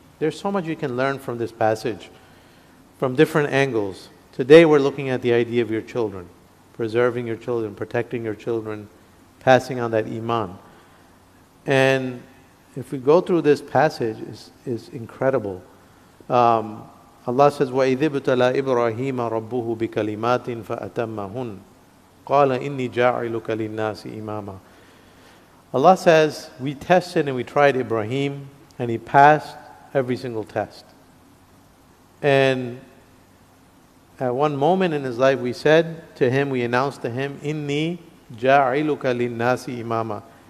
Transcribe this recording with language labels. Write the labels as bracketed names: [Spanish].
[English] There's so much you can learn from this passage from different angles. Today we're looking at the idea of your children, preserving your children, protecting your children, passing on that iman. And if we go through this passage, it's incredible. Allah says, [Arabic] وَإِذْ ابْتَلَى إِبْرَاهِيمَ رَبُّهُ بِكَلِمَاتٍ فَأَتَمَّهُنَّ قَالَ إِنِّي جَاعِلُكَ لِلنَّاسِ إِمَامًا. [English] Allah says, we tested and we tried Ibrahim, and he passed every single test. And at one moment in his life, we said to him, we announced to him, [Arabic] Inni ja'iluka linnasi imama.